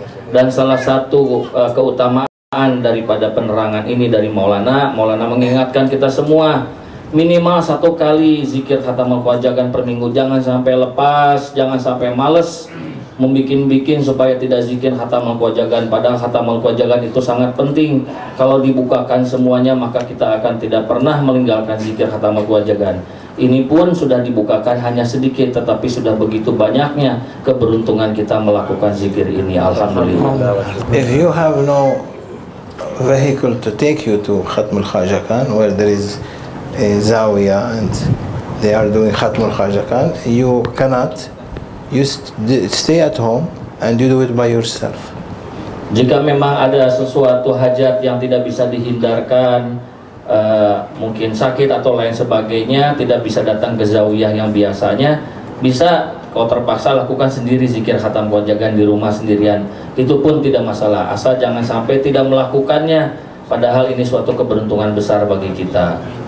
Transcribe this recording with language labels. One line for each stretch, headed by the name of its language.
Indonesian: Dan salah satu keutamaan daripada penerangan ini dari Maulana mengingatkan kita semua, minimal 1 kali zikir khatamul khawajagan per minggu, jangan sampai lepas, jangan sampai malas membikin-bikin supaya tidak zikir khatamul khawajagan, padahal khatamul khawajagan itu sangat penting. Kalau dibukakan semuanya, maka kita akan tidak pernah meninggalkan zikir khatamul khawajagan. Ini pun sudah dibukakan hanya sedikit, tetapi sudah begitu banyaknya keberuntungan kita melakukan zikir ini, alhamdulillah.
English: If you have no vehicle to take you to khatamul khawajagan, where there is a zawiyah and they are doing Khatm Khawajagan, you cannot, you stay at home and you do it by yourself.
Indonesian: Jika memang ada sesuatu hajat yang tidak bisa dihindarkan, mungkin sakit atau lain sebagainya, tidak bisa datang ke zawiyah yang biasanya, bisa kau terpaksa lakukan sendiri zikir Khatam Khawajagan di rumah sendirian. Itu pun tidak masalah, asal jangan sampai tidak melakukannya, padahal ini suatu keberuntungan besar bagi kita.